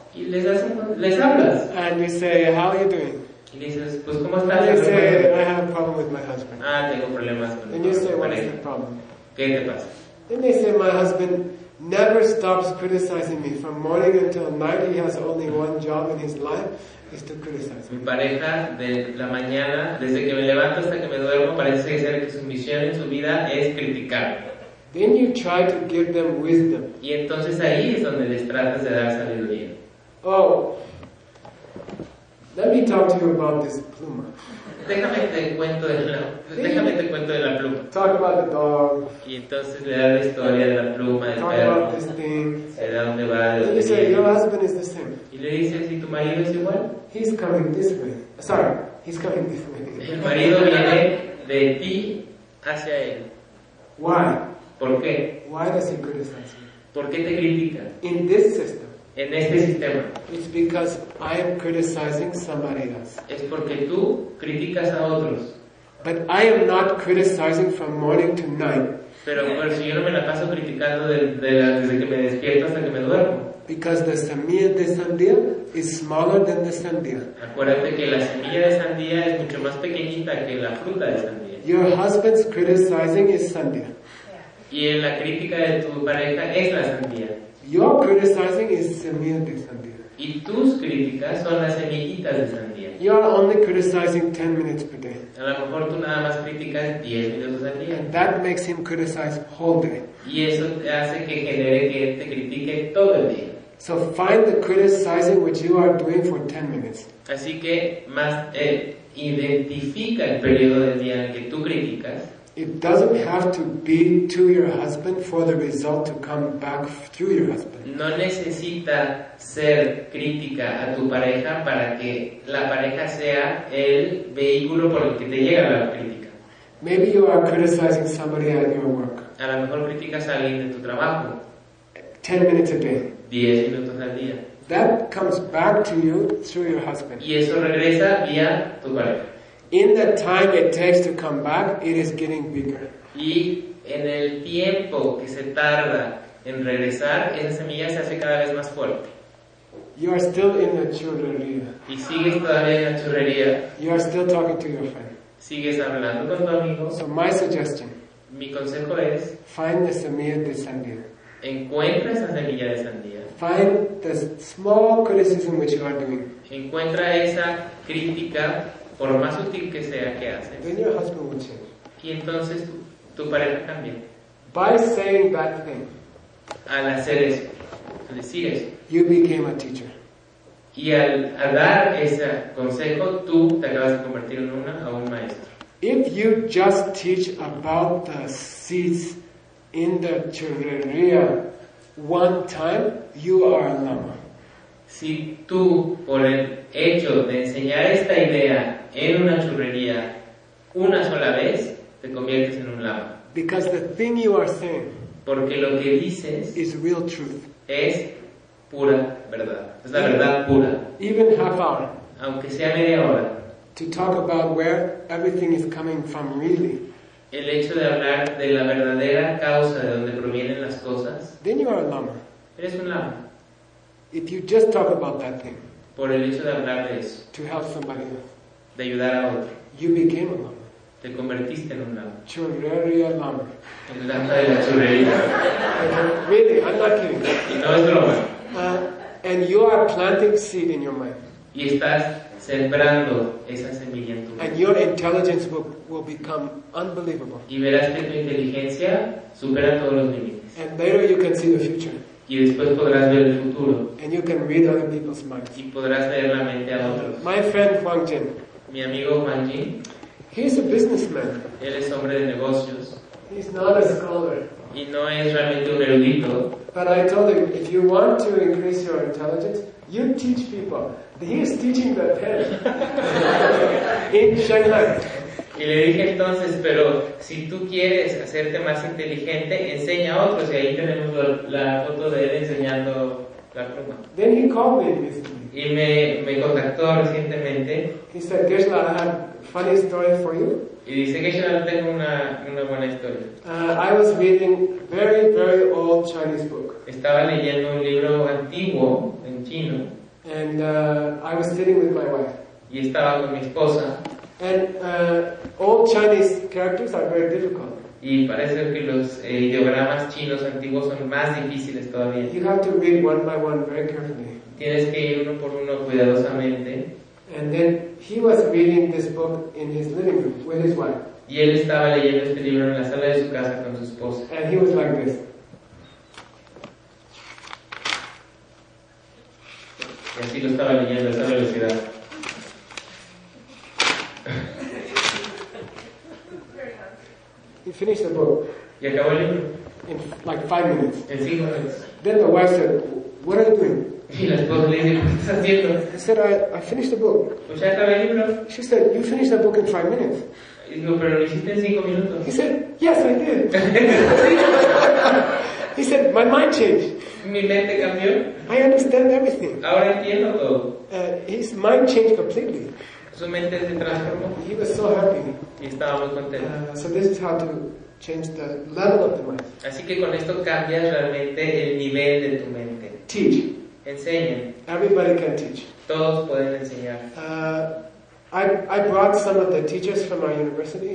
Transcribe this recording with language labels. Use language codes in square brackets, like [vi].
[es] Les hablas. [en] And you say, how are you doing? And you say, I have a problem with my husband. [es] Ah, tengo problemas. [en] And you say, what is the problem? [es] ¿Qué te pasa? [en] Then they say, my husband never stops criticizing me. From morning until night, he has only one job in his life. [es] Mi pareja de la mañana, desde que me levanto hasta que me duermo, parece ser que su misión en su vida es criticar. [en] Then you try to give them wisdom. [es] Y entonces ahí es donde les tratas de dar sabiduría. [en] Oh, let me talk to you about this pluma. [es] Déjame te cuento de la pluma. [en] Talk about the dog. [es] Y entonces le da la historia de la pluma, del perro. [en] Talk about this thing. [es] ¿De dónde va? [en] And you say, your husband is the same. [es] Y le dices, ¿y tu marido es igual? [en] He's coming this way. Sorry, he's coming this way. [es] El marido viene de ti hacia él. [en] Why? [es] ¿Por qué? [en] Why does he criticize me? [es] ¿Por qué te critica? [en] In this system. [es] En este sistema. [en] It's because I am criticizing somebody else. [es] Es porque tú criticas a otros. [en] But I am not criticizing from morning to night. [es] Pero si yo no me la paso criticando desde que me despierto hasta que me duermo. [en] Because the [es] semilla de sandía [en] is smaller than the sandía. [es] Acuérdate que la semilla de sandía es mucho más pequeñita que la fruta de sandía. [en] Your husband's criticizing is sandía. [es] Yeah. Y en la crítica de tu pareja es la sandía. [en] Your criticizing is [es] semilla de sandía. Y tus críticas son las semillitas de sandía. [en] You are only criticizing 10 minutes per day. [es] A lo mejor tú nada más criticas 10 minutos al día. [en] And that makes him criticize whole day. [es] Y eso te hace que genere que él te critique todo el día. [en] So find the criticizing which you are doing for 10 minutes. [es] Así que identifica el periodo del día en el que tú criticas. [en] it doesn't have to be to your husband for the result to come back through your husband. [es] No necesita ser crítica a tu pareja para que la pareja sea el vehículo por el que te llega la crítica. [en] Maybe you are criticizing somebody at your work. [es] A lo mejor criticas a alguien de tu trabajo. [en] 10 minutes a day. [es] 10 minutos al día. [en] That comes back to you through your husband. [es] Y eso regresa vía tu pareja. [en] In the time it takes to come back, it is getting bigger. [es] Y en el tiempo que se tarda en regresar, esa semilla se hace cada vez más fuerte. [en] You are still in the churrería. [es] Y sigues todavía en la churrería. [en] You are still talking to your friend. [es] Sigues hablando con tu amigo. [en] So my suggestion. [es] Mi consejo es. [en] Find the [es] semilla de sandía. Encuentra esa semilla de sandía. [en] Find the small criticism which you are doing. [es] Encuentra esa crítica, por más sutil que sea que haces. [en] Then your husband will change. [es] Y entonces tu pareja cambia. [en] By saying that thing. [es] Al hacer eso, al decir eso. [en] You became a teacher. [es] Y al dar ese consejo, tú te acabas de convertir en un maestro. [en] If you just teach about the seeds in the churrería one time, you are a lama. [es] Si tú, por el hecho de enseñar esta idea en una churrería una sola vez, te conviertes en un lama. [en] Because the thing you are saying, [es] porque lo que dices, [en] is real truth. [es] Es pura verdad. Es la verdad pura. [en] Even half hour, [es] aunque sea media hora. [en] To talk about where everything is coming from really. [es] El hecho de hablar de la verdadera causa de donde provienen las cosas. [en] Then you are a lama. [es] Eres un lama. [en] If you just talk about that thing. [es] Por el hecho de hablar de eso. [en] To help somebody else. [es] De ayudar a otro. [en] You became a lama. [es] Te convertiste en un lama. [en] Churrería lama. [es] El lama de la churrería. [en] Really, I'm not kidding. [es] Y no es broma. [en] And you are planting seed in your mind. [es] Y estás sembrando esa semilla en tu mente. [en] And your intelligence will become unbelievable. [es] Y verás que tu inteligencia supera todos los límites. [en] And later you can see the future. [es] Y después podrás ver el futuro. [en] And you can read other people's minds. [es] Y podrás leer la mente a otros. [en] My friend Huang Jin. [es] Mi amigo Huang Jin. [en] He's a businessman. [es] Él es hombre de negocios. [en] He's not a scholar. [es] Y no es realmente un erudito. [en] But I told him, if you want to increase your intelligence, you teach people. He is teaching the pen in Shanghai. [es] Y le dije entonces, pero si tú quieres hacerte más inteligente, enseña a otros. Y ahí tenemos la foto de él enseñando la pluma. [en] Then he called me recently. [es] Y me contactó recientemente. [en] He said, Geshe-la, I have a funny story for you. [es] Y dice, Geshe-la, tengo una buena historia. [en] I was reading very, very old Chinese book. [es] Estaba leyendo un libro antiguo en chino. [en] And I was sitting with my wife. [es] Y estaba con mi esposa. [en] And old Chinese characters are very difficult. [es] Y parece que los ideogramas chinos antiguos son más difíciles todavía. [en] You have to read one by one very carefully. [es] Tienes que ir uno por uno cuidadosamente. [en] And then he was reading this book in his living room with his wife. [es] Y él estaba leyendo este libro en la sala de su casa con su esposa. [en] And he was like this. [es] Y así lo estaba leyendo a esa velocidad. [en] He finished the book. [es] Y acabó el libro. [en] In like 5 minutes. [es] En 5 minutes. [en] Then the wife said, what are you doing? [es] Y la esposa le dijo, ¿qué estás haciendo? [en] He said, I finished the book. [es] Pues ya acabé el libro. [en] She said, you finished the book in 5 minutes. [es] Y dijo, pero lo hiciste en 5 minutos. [en] He said, yes, I did. He said, my mind changed. [es] Mi mente cambió. [en] I understand everything. [es] Ahora entiendo todo. [en] His mind changed completely. [es] Su mente se transformó. [en] He was so happy. [es] Y estaba muy contento. [en] So this is how to change the level of the mind. [es] Así que con esto cambias realmente el nivel de tu mente. [en] Teach. [es] Enseña. [en] Everybody can teach. [es] Todos pueden enseñar. [en] I brought some of the teachers from our university.